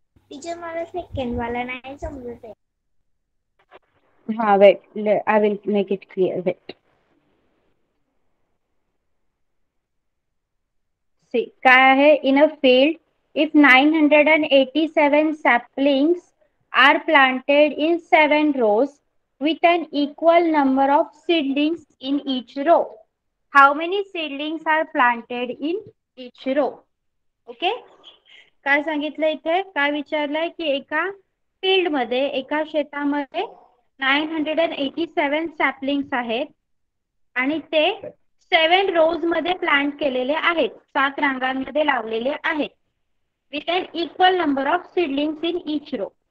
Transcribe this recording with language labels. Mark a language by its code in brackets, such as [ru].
[mr] Teacher मला second वाला नाही समजत आहे. [en] हाँ wait, I will make it clear. Wait, see [mr] काय आहे. [en] In a field if 987 saplings are planted in 7 rows with an equal number of seedlings in each row, how many seedlings are planted in each row. [mr] Okay, काय सांगितलं इथे, काय विचारलंय की एका field मध्ये, एका शेतामध्ये 987 सॅपलिंग्स आहेत आणि ते 7 रोज मध्ये प्लांट केलेले आहेत, 7 रांगांमध्ये लावलेले आहेत, [en] With an equal number of seedlings in each row.